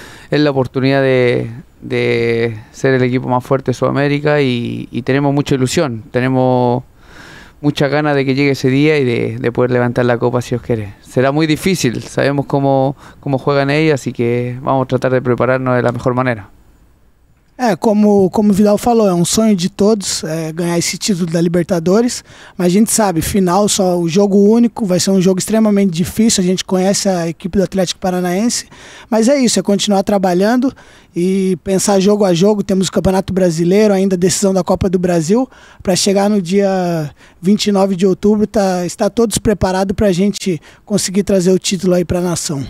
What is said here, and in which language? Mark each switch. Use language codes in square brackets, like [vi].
[pt] É a oportunidade de ser o equipo mais forte de Sudamérica e temos muita ilusão. [es] Mucha gana de que llegue ese día y de poder levantar la copa si os quiere. Será muy difícil, sabemos cómo juegan ellos, así que vamos a tratar de prepararnos de la mejor manera. [pt] Como Vidal falou, é um sonho de todos ganhar esse título da Libertadores, mas a gente sabe, final, só o jogo único, vai ser um jogo extremamente difícil, a gente conhece a equipe do Atlético Paranaense, mas é isso, é continuar trabalhando e pensar jogo a jogo, temos o Campeonato Brasileiro, ainda a decisão da Copa do Brasil, para chegar no dia 29 de outubro, está todos preparados para a gente conseguir trazer o título aí para a nação.